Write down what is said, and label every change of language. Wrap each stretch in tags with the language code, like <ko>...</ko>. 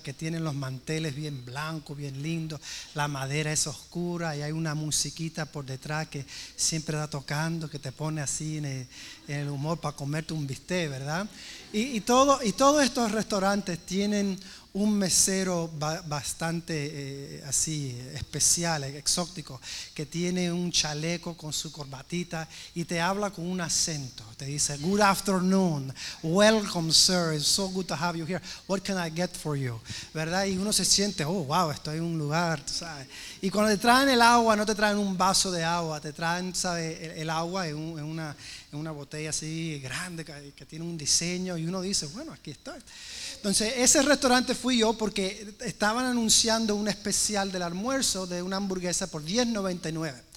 <es>Que tienen los manteles bien blancos, bien lindos. La madera es oscura y hay una musiquita por detrás que siempre está tocando, que te pone así en el humor para comerte un bistec, ¿verdad? Y todos estos restaurantes tienen un mesero bastante así especial, exótico, que tiene un chaleco con su corbatita y te habla con un acento. Te dice,</es> <en>good afternoon, welcome sir, it's so good to have you here, what can I get for you?</en> <es>¿Verdad? Y uno se siente, oh wow, estoy en un lugar, ¿sabes? Y cuando te traen el agua, no te traen un vaso de agua, te traen, ¿sabes? El agua en una botella así grande que tiene un diseño, y uno dice, bueno, aquí estoy. Entonces, ese restaurante fui yo porque estaban anunciando un especial del almuerzo de una hamburguesa por $10.99.</es>